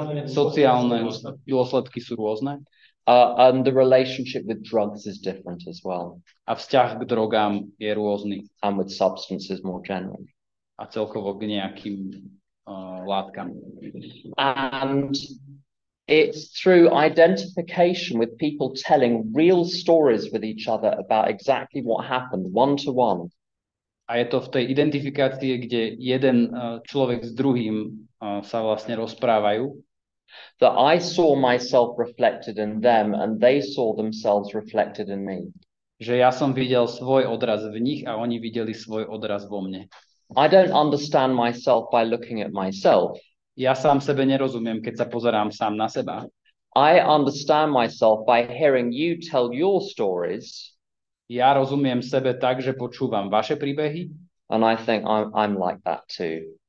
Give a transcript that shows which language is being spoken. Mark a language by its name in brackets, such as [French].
[Slovak] Sociálne dôsledky sú rôzne. [English] And the relationship with drugs is different as well. [Slovak] A vzťah k drogám je rôzny. [English] And with substances more generally. [Slovak] A celkovo k nejakým látkam. [English] And it's through identification with people telling real stories with each other about exactly what happened, one-to-one. [Slovak] A je to v tej identifikácii, kde jeden človek s druhým sa vlastne rozprávajú. [English] That I saw myself reflected in them and they saw themselves reflected in me. [Slovak] Že ja som videl svoj odraz v nich a oni videli svoj odraz vo mne. [English] I don't understand myself by looking at myself. [Slovak] Ja sám sebe nerozumiem, keď sa pozerám sám na seba. [English] I understand myself by hearing you tell your stories. [Slovak] Ja rozumiem sebe tak, že počúvam vaše príbehy. [English] And I think I'm like that too.